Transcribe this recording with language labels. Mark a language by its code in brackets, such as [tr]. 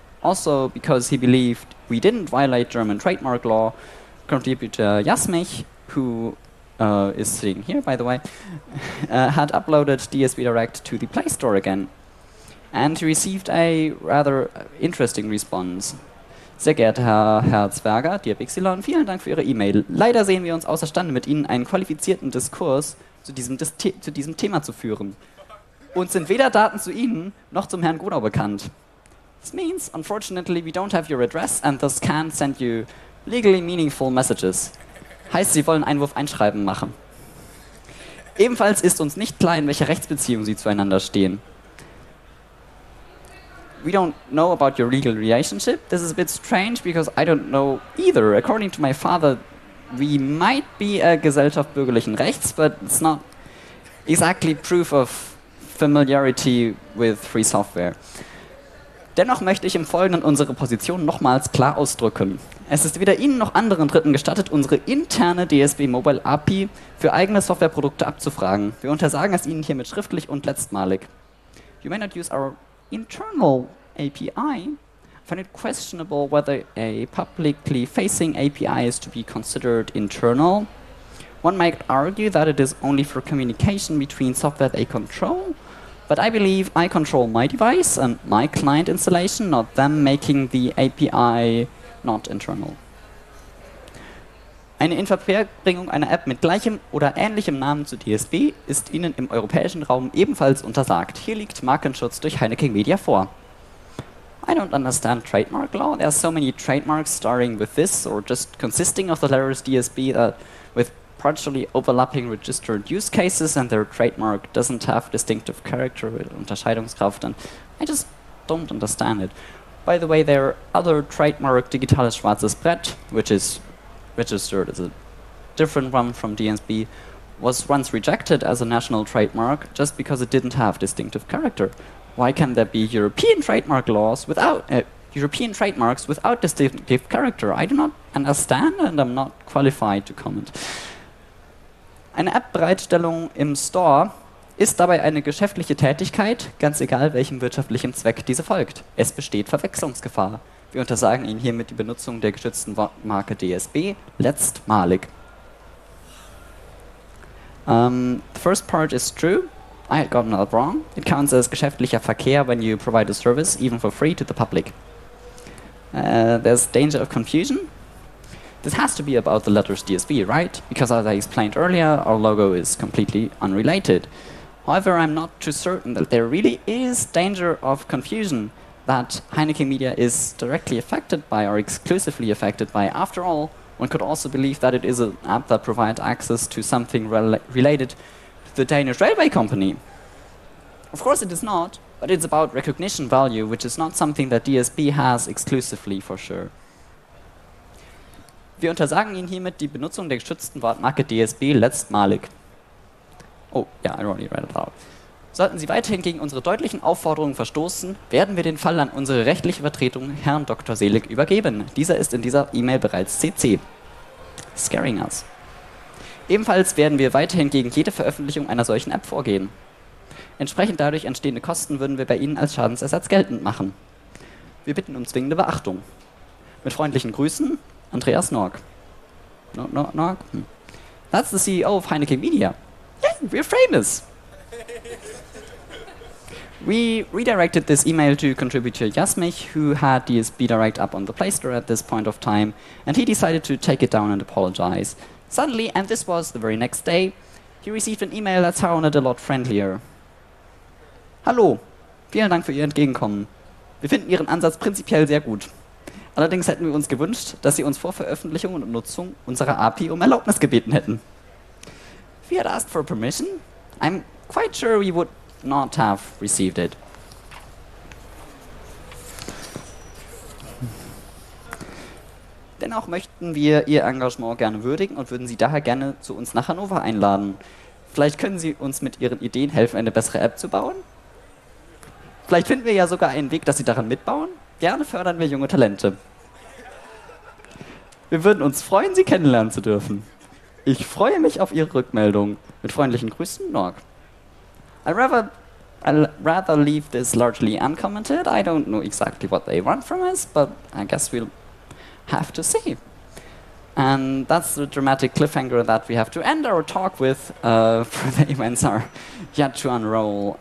[en] Also because he believed we didn't violate German trademark law, contributor Jasmich, who is sitting here, by the way, had uploaded DSB Direct to the Play Store again. And he received a rather interesting response. [de] Sehr geehrter Herr Herzberger, [en] dear Bixilon, [de] vielen Dank für Ihre E-Mail. Leider sehen wir uns außerstande, mit Ihnen einen qualifizierten Diskurs zu diesem Thema zu führen. Uns sind weder Daten zu Ihnen noch zum Herrn Godau bekannt. [en] This means, unfortunately, we don't have your address and thus can't send you legally meaningful messages. [de] Heißt, Sie wollen Einwurf einschreiben machen. Ebenfalls ist uns nicht klar, in welcher Rechtsbeziehung Sie zueinander stehen. [en] We don't know about your legal relationship. This is a bit strange because I don't know either. According to my father, we might be a [de] Gesellschaft bürgerlichen Rechts, [en] but it's not exactly proof of familiarity with free software. [de] Dennoch möchte ich im Folgenden unsere Position nochmals klar ausdrücken. Es ist weder Ihnen noch anderen Dritten gestattet, unsere interne DSB Mobile API für eigene Softwareprodukte abzufragen. Wir untersagen es Ihnen hiermit schriftlich und letztmalig. [en] You may not use our internal API. I find it questionable whether a publicly facing API is to be considered internal. One might argue that it is only for communication between software they control. But I believe I control my device and my client installation, not them making the API not internal. [de] Eine Inverbringung einer App mit gleichem oder ähnlichem Namen zu DSB ist Ihnen im europäischen Raum ebenfalls untersagt. Hier liegt Markenschutz durch Heineken Media vor. [en] I don't understand trademark law. There are so many trademarks starting with this or just consisting of the letters DSB that with partially overlapping registered use cases and their trademark doesn't have distinctive character with Unterscheidungskraft, and I just don't understand it. By the way, their other trademark, Digitales Schwarzes Brett, which is registered as a different one from DSB, was once rejected as a national trademark just because it didn't have distinctive character. Why can there be European trademark laws without European trademarks without distinctive character? I do not understand and I'm not qualified to comment. [de] Eine App-Bereitstellung im Store ist dabei eine geschäftliche Tätigkeit, ganz egal welchem wirtschaftlichen Zweck diese folgt. Es besteht Verwechslungsgefahr. Wir untersagen Ihnen hiermit die Benutzung der geschützten Marke DSB letztmalig. [en] The first part is true. I had gotten that wrong. It counts as [de] geschäftlicher Verkehr [en] when you provide a service, even for free, to the public. There's danger of confusion. This has to be about the letters DSB, right? Because as I explained earlier, our logo is completely unrelated. However, I'm not too certain that there really is danger of confusion that Heineken Media is directly affected by or exclusively affected by. After all, one could also believe that it is an app that provides access to something related to the Danish Railway Company. Of course it is not, but it's about recognition value, which is not something that DSB has exclusively for sure. [de] Wir untersagen Ihnen hiermit die Benutzung der geschützten Wortmarke DSB letztmalig. [en] Oh, ja, yeah, I already read it out. [de] Sollten Sie weiterhin gegen unsere deutlichen Aufforderungen verstoßen, werden wir den Fall an unsere rechtliche Vertretung, Herrn Dr. Selig, übergeben. Dieser ist in dieser E-Mail bereits CC. [en] Scaring us. [de] Ebenfalls werden wir weiterhin gegen jede Veröffentlichung einer solchen App vorgehen. Entsprechend dadurch entstehende Kosten würden wir bei Ihnen als Schadensersatz geltend machen. Wir bitten um zwingende Beachtung. Mit freundlichen Grüßen. Andreas Nork. Nork? Hm. [en] That's the CEO of Heineken Media. Yeah, we're famous. We redirected this email to contributor Jasmich, who had DSB Direct up on the Play Store at this point of time, and he decided to take it down and apologize. Suddenly, and this was the very next day, he received an email that sounded a lot friendlier. [de] Hallo, vielen Dank für Ihr Entgegenkommen. Wir finden Ihren Ansatz prinzipiell sehr gut. Allerdings hätten wir uns gewünscht, dass Sie uns vor Veröffentlichung und Nutzung unserer API um Erlaubnis gebeten hätten. [en] If we had asked for permission, I'm quite sure we would not have received it. [de] Dennoch möchten wir Ihr Engagement gerne würdigen und würden Sie daher gerne zu uns nach Hannover einladen. Vielleicht können Sie uns mit Ihren Ideen helfen, eine bessere App zu bauen. Vielleicht finden wir ja sogar einen Weg, dass Sie daran mitbauen. Gerne fördern wir junge Talente. Wir würden uns freuen, Sie kennenlernen zu dürfen. Ich freue mich auf Ihre Rückmeldung. Mit freundlichen Grüßen, Norg. [en] I'd rather leave this largely uncommented. I don't know exactly what they want from us, but I guess we'll have to see. And that's the dramatic cliffhanger that we have to end our talk with, for the events are yet to unroll.